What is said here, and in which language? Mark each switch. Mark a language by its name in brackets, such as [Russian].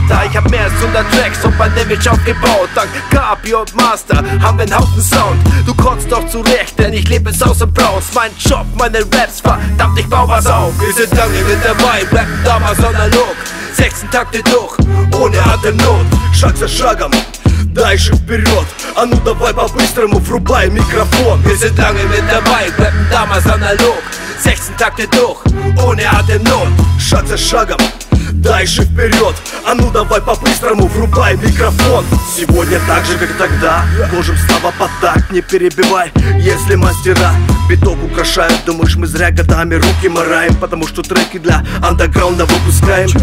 [German] Ich hab mehr als 100 Tracks und mein Image aufgebaut. Dank Kapi und Master haben wir einen Haufen Sound. Du kotzt doch zurecht, denn ich lebe es aus und brauch's. Mein Job, meine Raps, verdammt, ich bau was auf. Wir sind lange mit dabei, rappen damals analog. 16 Takte durch, ohne Atemnot. [Russian] Schlag за шагом, дальше вперед. А ну давай по-быстрому, врубай Mikrofon. Wir sind lange mit dabei, rappen damals analog. 16 Takte durch, ohne Atemnot. Шаг за шагом, дальше вперед. А ну давай по-быстрому, врубай Mikrofon. Сегодня так же, как тогда, ложим слова под такт. Не перебивай, если мастера биток украшают. Думаешь, мы зря годами руки мораем, потому что треки для андеграунда выпускаем.